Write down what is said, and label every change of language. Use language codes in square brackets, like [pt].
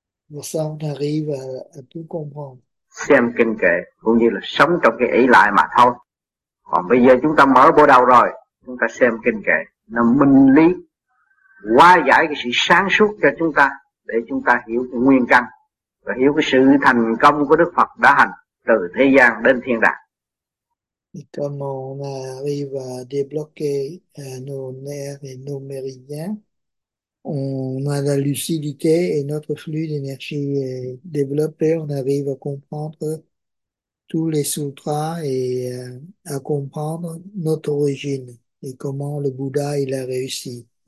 [fr] Pour ça, on arrive à tout comprendre. [vi] Xem kinh kệ cũng như là sống trong cái ý lại mà thôi. Còn bây giờ chúng ta mở bộ đầu rồi, chúng ta xem kinh kệ, nó minh lý, hóa giải cái sự sáng suốt cho chúng ta, để chúng ta hiểu cái nguyên căn và hiểu cái sự thành công của Đức Phật đã hành từ thế gian đến thiên đàng. [fr] Et comme on arrive à débloquer nos nerfs et nos méridiens, On a la lucidité et notre flux d'énergie est développé. On arrive à comprendre tous les sutras et à comprendre notre origine et comment le Bouddha il a réussi.